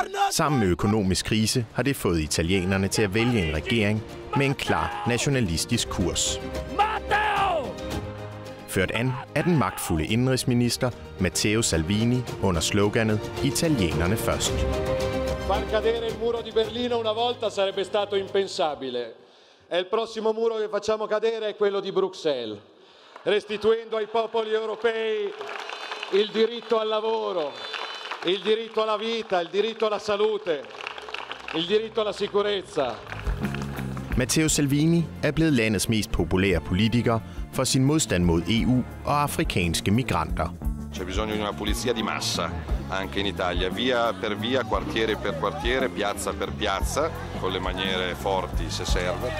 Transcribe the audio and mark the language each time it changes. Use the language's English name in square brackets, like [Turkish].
[Danish] Sammen med økonomisk krise har det fået italienerne til at vælge en regering med en klar nationalistisk kurs. Ført an af den magtfulde indenrigsminister Matteo Salvini under sloganet Italienerne først. [Italian] Far cadere il muro di Berlino una volta sarebbe stato impensabile. È il prossimo muro che facciamo cadere è quello di Bruxelles, restituendo ai popoli europei il diritto al lavoro, il diritto alla vita, il diritto alla salute, il diritto alla sicurezza. [Danish] Matteo Salvini er blevet landets mest populære politiker for sin modstand mod EU og afrikanske migranter. [Italian] c'è bisogno di una pulizia di massa anche in Italia, via per via, quartiere per quartiere, piazza per piazza, con le maniere forti se serve.